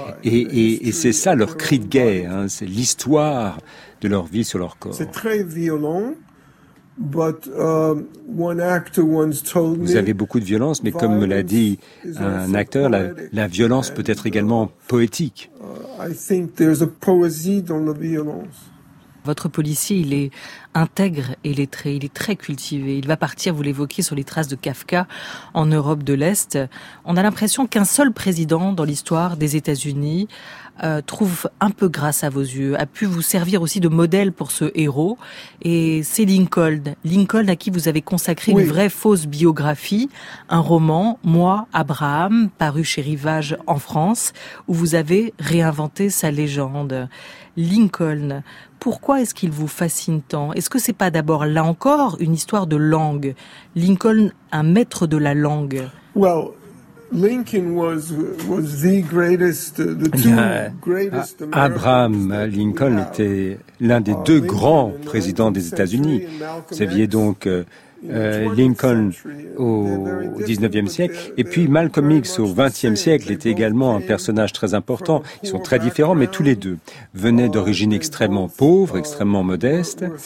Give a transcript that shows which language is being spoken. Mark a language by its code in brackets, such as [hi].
[fr] Et c'est ça leur cri de guerre, hein, c'est l'histoire de leur vie sur leur corps. C'est très violent. [en] But one actor once told me, [fr] vous avez beaucoup de violence, mais comme me l'a dit un acteur, la violence peut être également poétique. [en] I think there's a poesy [fr] dans la violence. Votre policier, il est intègre et lettré, il est très cultivé. Il va partir, vous l'évoquez, sur les traces de Kafka en Europe de l'Est. On a l'impression qu'un seul président dans l'histoire des États-Unis trouve un peu grâce à vos yeux, a pu vous servir aussi de modèle pour ce héros. Et c'est Lincoln à qui vous avez consacré une vraie fausse biographie, un roman, « Moi, Abraham », paru chez Rivage en France, où vous avez réinventé sa légende. Lincoln, pourquoi est-ce qu'il vous fascine tant ? Est-ce que c'est pas d'abord, là encore, une histoire de langue ? Lincoln, un maître de la langue. [en] Well, Lincoln was the greatest, the two greatest. [fr] Abraham Lincoln était l'un des deux grands présidents des États-Unis. Vous aviez donc Lincoln au 19e siècle, et puis Malcolm X au 20e siècle était également un personnage très important. Ils sont très différents, mais tous les deux venaient d'origine extrêmement pauvre, extrêmement modeste.